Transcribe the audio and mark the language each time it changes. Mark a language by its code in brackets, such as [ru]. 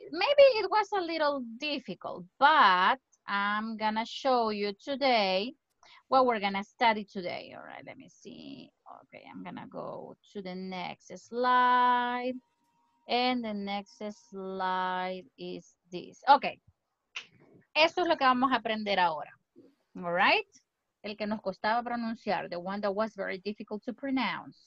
[en] Maybe it was a little difficult, but I'm going to show you today what we're going to study today. All right. Let me see. Okay, I'm gonna go to the next slide. And the next slide is this. [es] Okay, eso es lo que vamos a aprender ahora. [en] All right? [es] El que nos costaba pronunciar, [en] the one that was very difficult to pronounce.